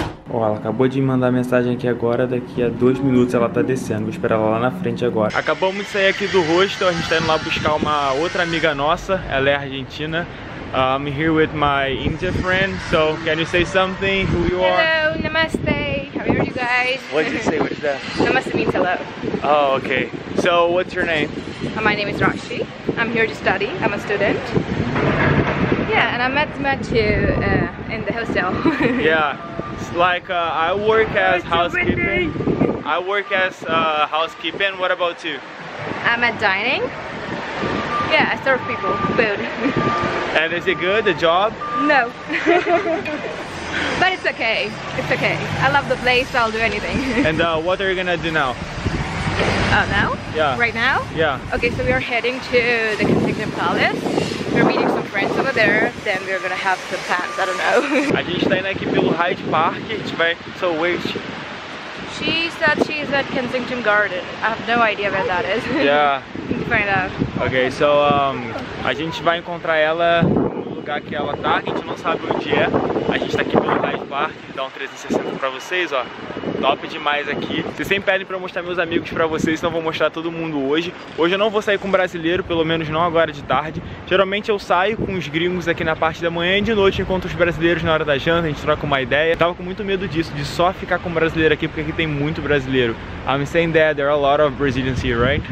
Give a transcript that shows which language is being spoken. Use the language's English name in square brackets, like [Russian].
[Portuguese] Ó, ela acabou de me mandar mensagem aqui agora, daqui a 2 minutos ela tá descendo, vou esperar ela lá na frente agora. Acabamos de sair aqui do hostel, a gente tá indo lá buscar uma outra amiga nossa, ela é argentina. [English] I'm here with my Indian friend, so can you say something, who you are? Hello, namaste, how are you guys? What did you say, what is that? Namaste means hello. Oh, okay, so what's your name? My name is Rashi, I'm here to study, I'm a student. Yeah, and I met you in the hostel. Yeah. Like I work as housekeeping. I work as housekeeping. What about you? I'm at dining. Yeah, I serve people food. And is it good, the job? No. But it's okay. It's okay. I love the place. I'll do anything. And what are you gonna do now? Now? Yeah. Right now? Yeah. Okay, so we are heading to the Kensington Palace. We're meeting some friends over there, then we're gonna have some plans, I don't know. [Portuguese] A gente tá indo aqui pelo Hyde Park, a gente vai... [English] So, wait. She said she's at Kensington Garden. I have no idea where that is. Yeah. Need to find out. Okay, so, [Portuguese] a gente vai encontrar ela no lugar que ela tá, a gente não sabe onde é. A gente tá aqui pelo Hyde Park, dá um 360 pra vocês, ó. Top demais aqui. Vocês sempre pedem pra eu mostrar meus amigos pra vocês, então eu vou mostrar todo mundo hoje. Hoje eu não vou sair com brasileiro, pelo menos não agora de tarde. Geralmente eu saio com os gringos aqui na parte da manhã e de noite encontro os brasileiros na hora da janta, a gente troca uma ideia. Tava com muito medo disso, de só ficar com brasileiro aqui, porque aqui tem muito brasileiro. [English] I'm saying that there are a lot of Brazilians here, right?